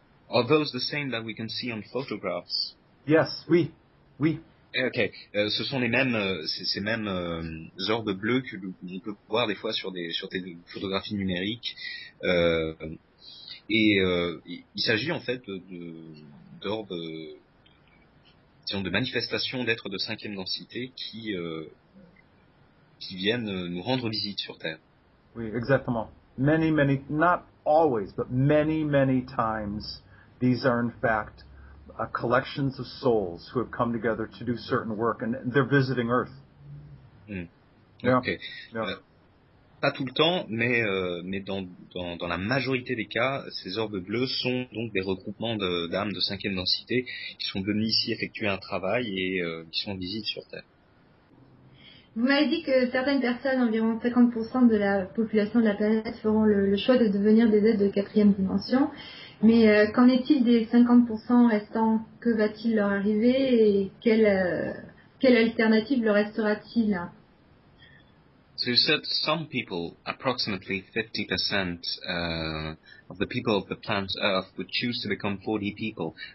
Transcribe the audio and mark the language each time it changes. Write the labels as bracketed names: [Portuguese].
[English] Are those the same that we can see on photographs? Yes, [French] oui, oui. Ok, ce sont les mêmes, ces mêmes orbes bleus que l'on peut voir des fois sur des photographies numériques. Il s'agit en fait d'orbes, disons, de manifestations d'êtres de cinquième densité qui viennent nous rendre visite sur Terre. Oui, exactement. [English] Many, many, not always, but many, many times, these are in fact collections of souls who have come together to do certain work, and they're visiting Earth. Okay. Yeah. [French] Pas tout le temps, mais dans la majorité des cas, ces orbes bleus sont donc des regroupements d'âmes de cinquième densité qui sont venus ici effectuer un travail et qui sont en visite sur Terre. Vous m'avez dit que certaines personnes, environ 50% de la population de la planète, feront le choix de devenir des êtres de quatrième dimension. Mais qu'en est-il des 50% restants? Que va-t-il leur arriver et quelle alternative leur restera-t-il? [English] So you said some people, approximately 50% of the people of the planet Earth, would choose to become 40 people.